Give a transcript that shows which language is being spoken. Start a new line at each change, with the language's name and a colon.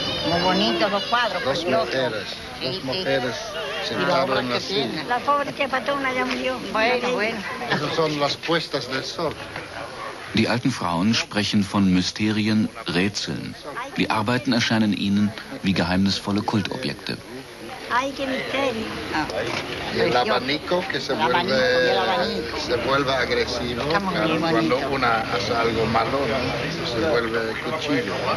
Spanish: Muy bonitos los cuadros, dos mujeres, dos mujeres sentadas en la silla. La pobre Chepatona ya murió. Bueno. Esas son las puestas del sol.
German: Die alten Frauen sprechen von Mysterien, Rätseln. Die Arbeiten erscheinen ihnen wie geheimnisvolle Kultobjekte.
Spanish: Ay, qué misterio. El abanico que se vuelve agresivo cuando una hace algo malo, se vuelve cuchillo.